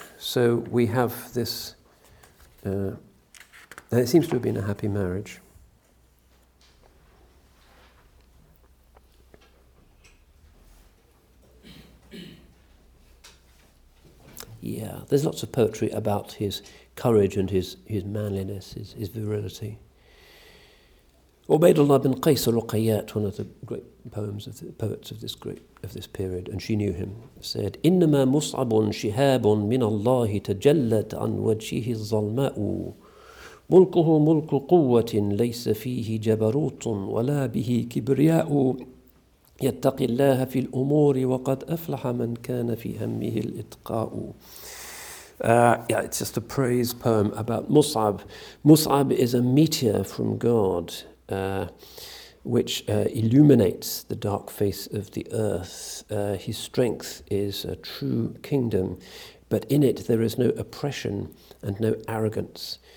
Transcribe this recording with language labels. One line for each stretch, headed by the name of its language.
English: So we have this, and it seems to have been a happy marriage. Yeah, there's lots of poetry about his courage and his manliness, his virility. Ubaydullah bin Qais al-Ruqayyat, one of the great poets of this period, and she knew him, said,
Arabic: إِنَّمَا مُصْعَبٌ شِهَابٌ مِنَ اللَّهِ تَجَلَّتْ عَنْ وَجْهِهِ الظَّلْمَاءُ مُلْكُهُ مُلْكُ قُوَّةٍ لَيْسَ فِيهِ جَبَرُوتٌ وَلَا بِهِ كِبْرِيَاءُ يَتَّقِ اللَّهَ فِي الْأُمُورِ وَقَدْ أَفْلَحَ مَنْ كَانَ فِي هَمِّهِ الْإِتْقَاءُ.
English: Yeah, it's just a praise poem about Mus'ab. Mus'ab is a meteor from God, which illuminates the dark face of the earth. His strength is a true kingdom, but in it there is no oppression and no arrogance.